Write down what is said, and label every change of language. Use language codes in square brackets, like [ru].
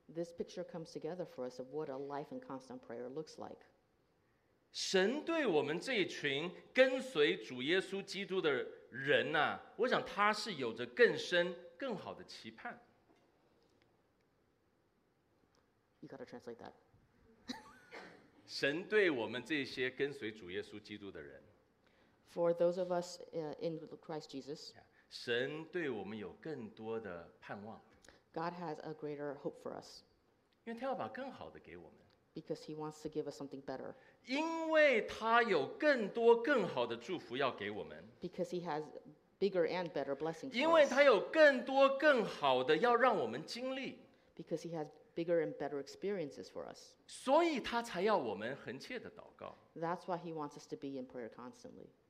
[en] This picture comes together for us of what a life in constant prayer looks like. [zh] 神对我们这一群跟随主耶稣基督的人啊, 我想他是有着更深更好的期盼。 [en] You gotta translate that. [zh] 神对我们这些跟随主耶稣基督的人, [en] for those of us in Christ Jesus, [zh] 神对我们有更多的盼望, [en] God has a greater hope for us. [zh] 因为他要把更好的给我们, [en] because he wants to give us something better. [zh] 因为他有更多更好的祝福要给我们, [en] because he has bigger and better blessings for us. [zh] 因为他有更多更好的要让我们经历, [en] because he has bigger and better experiences for us. [zh] 所以他才要我们恒切的祷告。 [en] That's why he wants us to be in prayer constantly.